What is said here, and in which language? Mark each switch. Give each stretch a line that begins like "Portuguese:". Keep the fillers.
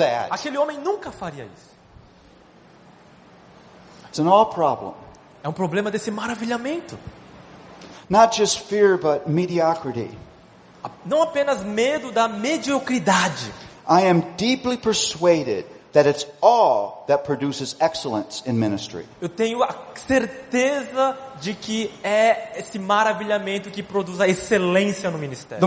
Portuguese: Aquele homem nunca faria isso. É um problema desse maravilhamento.
English: Not just fear, but mediocrity.
Portuguese: Não apenas medo da mediocridade.
English: I am deeply persuaded that it's all that produces excellence in ministry.
Portuguese: Eu tenho a certeza de que é esse maravilhamento que produz a excelência no ministério.